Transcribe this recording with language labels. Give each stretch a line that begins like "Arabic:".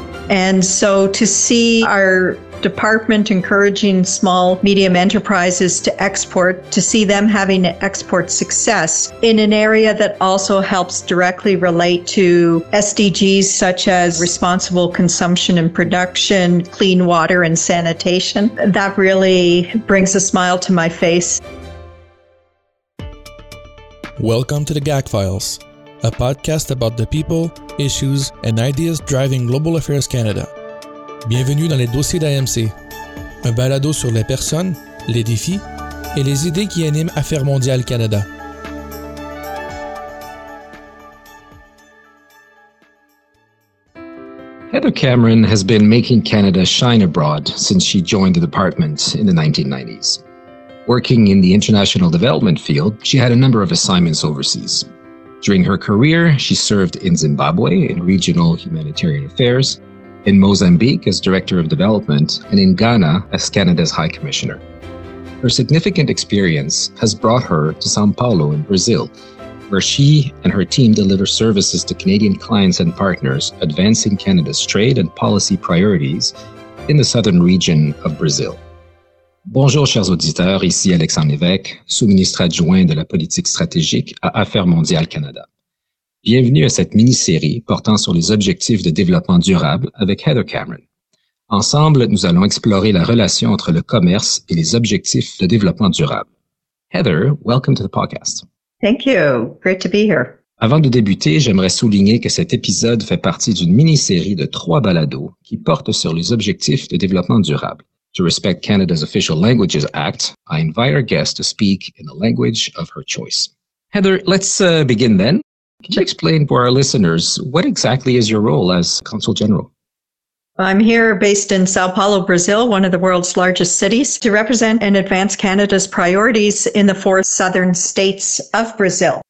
English: And so to see our department encouraging small, medium enterprises to export, to see them having export success in an area that also helps directly relate to SDGs such as responsible consumption and production, clean water and sanitation, that really brings a smile to my face. Welcome to the GAC Files, a podcast about the people, issues, and ideas driving Global Affairs Canada.
French: Bienvenue dans les dossiers d'AMC, un balado sur les personnes, les défis et les idées qui animent Affaires mondiales Canada.
English: Heather Cameron has been making Canada shine abroad since she joined the department in the 1990s. Working in the international development field, she had a number of assignments overseas. During her career, she served in Zimbabwe in regional humanitarian affairs, in Mozambique as director of development, and in Ghana as Canada's high commissioner. Her significant experience has brought her to São Paulo in Brazil, where she and her team deliver services to Canadian clients and partners, advancing Canada's trade and policy priorities in the southern region of Brazil.
French: Bonjour, chers auditeurs, ici Alexandre Lévesque, sous-ministre adjoint de la politique stratégique à Affaires mondiales Canada. Bienvenue à cette mini-série portant sur les objectifs de développement durable avec Heather Cameron. Ensemble, nous allons explorer la relation entre le commerce et les objectifs de développement durable.
English: Heather, welcome to the podcast. Thank you. Great to be here.
French: Avant de débuter, j'aimerais souligner que cet épisode fait partie d'une mini-série de trois balados qui portent sur les objectifs de développement durable.
English: To respect Canada's Official Languages Act, I invite our guest to speak in the language of her choice. Heather, let's begin then. Can you explain for our listeners, what exactly is your role as Consul General? I'm here based in Sao Paulo, Brazil, one of the world's largest cities, to represent and advance Canada's priorities in the four southern states of Brazil.